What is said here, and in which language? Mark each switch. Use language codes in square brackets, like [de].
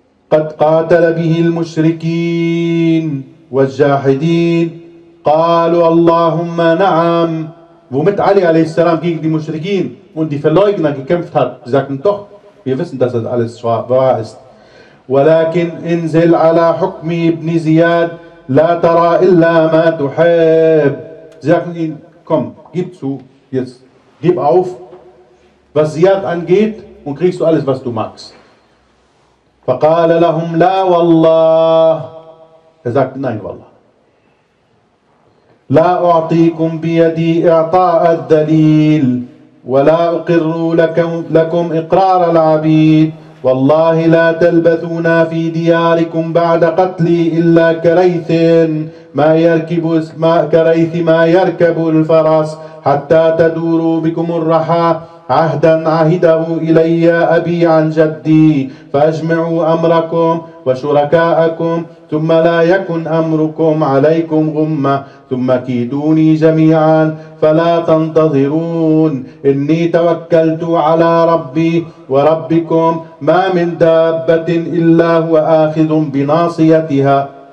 [ar] قَدْ قَاتَلَ بِهِ الْمُشْرِكِينَ وَالْجَاهِدِينَ قَالُوا اللَّهُمَّ نَعَمْ. [de] Womit Ali a.s. gegen die Mushrikin und die Verleugner gekämpft hat, sie sagten doch, Wir wissen, dass das alles wahr ist. [ar] ولكن انزل على حكمي ابن زياد لا ترى إلا ما تحب. [de] Sag ihn, komm, gib zu, jetzt, gib auf, was Ziyad angeht und kriegst du alles, was du magst. [ar] فقال لهم لا والله. [de] Er sagt nein, [ar] والله. لا أعطيكم بيدي إعطاء الدليل ولا أقر لكم إقرار العبيد والله لا تلبثونا في دياركم بعد قتلي إلا كريث ما يركب ما كريث ما يركب الفرس حتى تدوروا بكم الرحى عهدا عهده إلي أبي عن جدي فأجمعوا أمركم وشركاءكم ثم لا يكن أمركم عليكم غمة ثم كيدوني جميعا فلا تنتظرون إني توكلت على ربي وربكم ما من دابة إلا هو آخذ بناصيتها